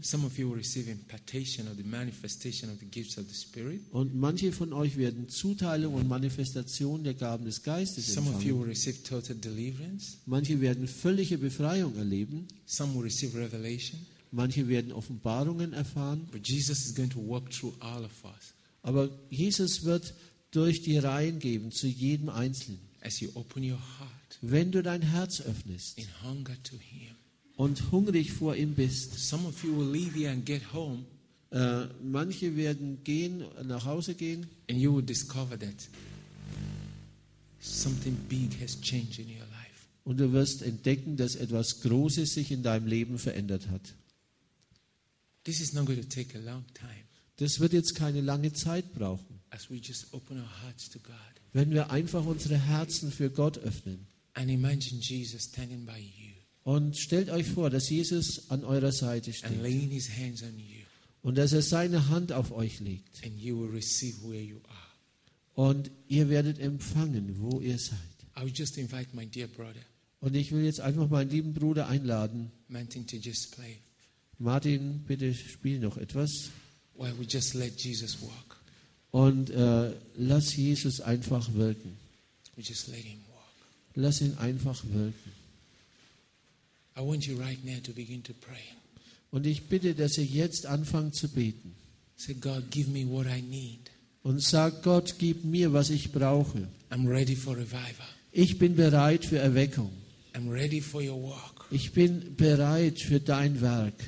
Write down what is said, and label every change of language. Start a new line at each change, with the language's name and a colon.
English: Some of you will receive impartation of the manifestation of the gifts of the Spirit.
German: Und manche von euch werden Zuteilung und Manifestation der Gaben des Geistes empfangen.
English: Some of you will receive total deliverance.
German: Manche werden völlige Befreiung erleben.
English: Some will receive revelation.
German: Manche werden Offenbarungen erfahren.
English: But Jesus is going to walk through all of us.
German: Aber Jesus wird durch die Reihen gehen zu jedem Einzelnen.
English: As you open your heart.
German: Wenn du dein Herz öffnest
English: in hunger to him.
German: Und hungrig vor ihm bist,
English: some of you will leave here and get home,
German: manche werden gehen, nach Hause gehen,
English: and you will discover that something big has changed in your life.
German: Und du wirst entdecken, dass etwas Großes sich in deinem Leben verändert hat.
English: This is not going to take a long time.
German: Das wird jetzt keine lange Zeit brauchen,
English: as we just open our hearts to God.
German: Wenn wir einfach unsere Herzen für Gott öffnen.
English: And imagine Jesus standing by you.
German: Und stellt euch vor, dass Jesus an eurer Seite steht.
English: And laying his hands on you.
German: Und dass er seine Hand auf euch legt.
English: And you will receive where you are.
German: Und ihr werdet empfangen, wo ihr seid.
English: I will just invite my dear brother.
German: Und ich will jetzt einfach meinen lieben Bruder einladen.
English: Martin, to just play.
German: Martin, bitte spiel noch etwas.
English: Why we just let Jesus walk.
German: Und lass Jesus einfach wirken.
English: We just let him.
German: Lass ihn einfach wirken.
English: I want you right now to begin to pray.
German: Und ich bitte, dass ihr jetzt anfangt zu beten.
English: Say, God, give me what I need.
German: Und sagt, Gott, gib mir, was ich brauche.
English: I'm ready for revival.
German: Ich bin bereit für Erweckung.
English: I'm ready for your work.
German: Ich bin bereit für dein Werk.